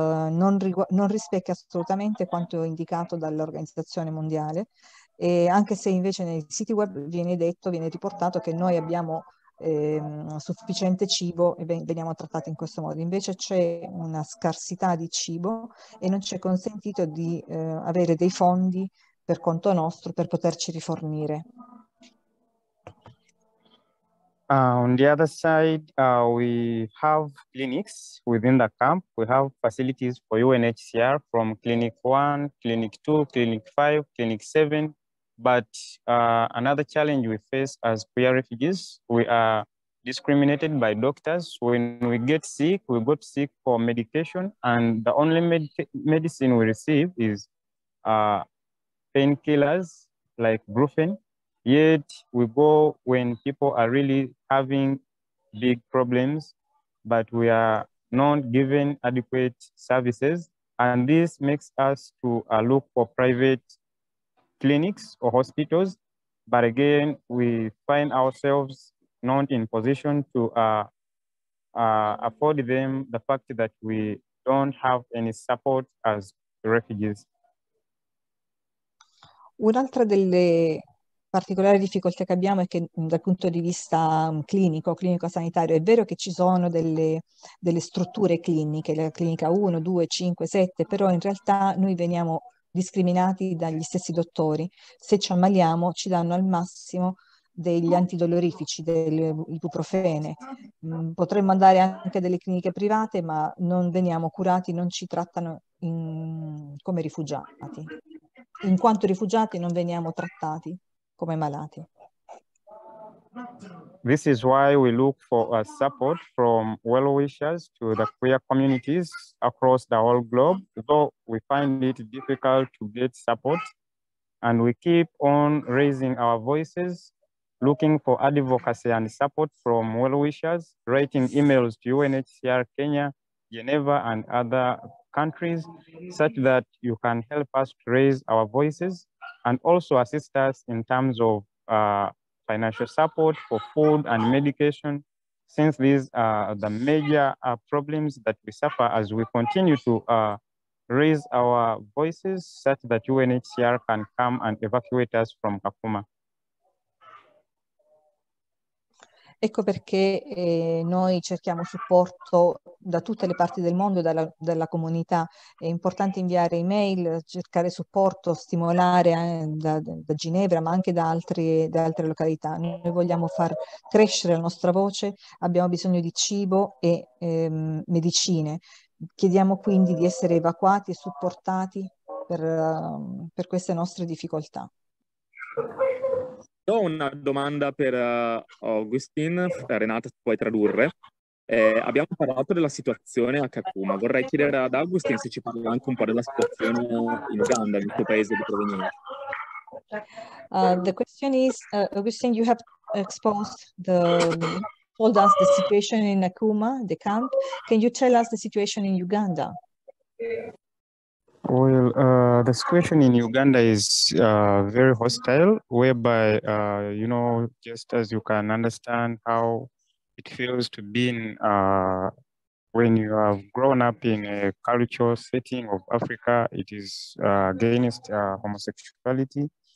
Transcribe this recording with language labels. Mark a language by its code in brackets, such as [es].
[it] Non rispecchia assolutamente quanto indicato dall'Organizzazione Mondiale, e anche se invece nei siti web viene riportato che noi abbiamo sufficiente cibo e veniamo trattati in questo modo. Invece c'è una scarsità di cibo e non ci è consentito di avere dei fondi per conto nostro per poterci rifornire. [en] On the other side, we have clinics within the camp. We have facilities for UNHCR from clinic 1, clinic 2, clinic 5, clinic 7. But another challenge we face as queer refugees, we are discriminated by doctors. When we get sick, we got sick for medication, and the only medicine we receive is painkillers like brufen. Yet we go when people are really having big problems, but we are not given adequate services. And this makes us to look for private clinics or hospitals. But again, we find ourselves not in position to afford them the fact that we don't have any support as refugees. [it] Un'altra delle particolari difficoltà che abbiamo è che dal punto di vista clinico-sanitario è vero che ci sono delle strutture cliniche, la clinica 1, 2, 5, 7, però in realtà noi veniamo discriminati dagli stessi dottori. Se ci ammaliamo ci danno al massimo degli antidolorifici, dell'ibuprofene. Potremmo andare anche delle cliniche private, ma non veniamo curati, non ci trattano come rifugiati. In quanto rifugiati non veniamo trattati come malati. [en] This is why we look for a support from well-wishers to the queer communities across the whole globe, though we find it difficult to get support, and we keep on raising our voices, looking for advocacy and support from well-wishers, writing emails to UNHCR Kenya, Geneva and other countries, such that you can help us to raise our voices and also assist us in terms of financial support for food and medication, since these are the major problems that we suffer as we continue to raise our voices such that UNHCR can come and evacuate us from Kakuma. [it] Ecco perché noi cerchiamo supporto da tutte le parti del mondo e dalla comunità. È importante inviare email, cercare supporto, stimolare da Ginevra, ma anche da altre località. Noi vogliamo far crescere la nostra voce, abbiamo bisogno di cibo e medicine. Chiediamo quindi di essere evacuati e supportati per queste nostre difficoltà. Ho una domanda per Augustine, Renata puoi tradurre. Abbiamo parlato della situazione a Kakuma, vorrei chiedere ad Augustine se ci parla anche un po' della situazione in Uganda, nel tuo paese di provenienza. [en] The question is, Augustine, you have exposed told us the situation in Kakuma, the camp. Can you tell us the situation in Uganda? Well, the situation in Uganda is very hostile, whereby, you know, just as you can understand how it feels to be in, when you have grown up in a cultural setting of Africa, it is against homosexuality.